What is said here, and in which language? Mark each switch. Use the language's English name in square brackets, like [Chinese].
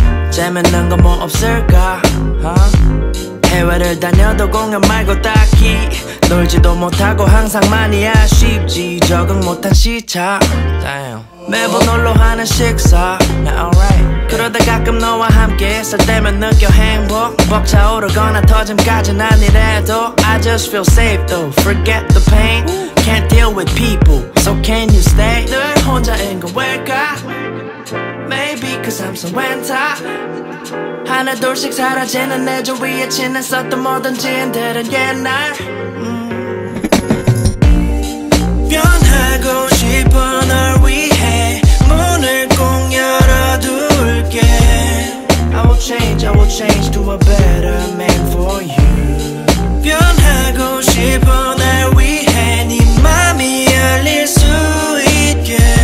[Korean] 재밌는 건 뭐 없을까? 해외를 다녀도 공연 말고 딱히 놀지도 못하고 항상 많이 아쉽지. 적응 못한 시차. Damn. 매번 놀러 하는 식사. [English] Yeah, alright. [Korean] 그러다 가끔 너와 함께 있을 때면 느껴 행복. 벅차오르거나 터짐까진 아니래도 [English] I just feel safe though. Forget the pain. Can't deal with people. So can you stay? [Korean] 늘 혼자인 건 왜일까? [English] Maybe cause I'm so anti. [Korean] 하나 둘씩 사라지는 내 주위에 친했었던 모든 지인들은 옛날. 변하고 싶어 널 위해 문을 꼭 열어둘게. [English] I will change to a better man for you. [Korean] 변하고 싶어 널 위해 네 맘이 열릴 수 있게.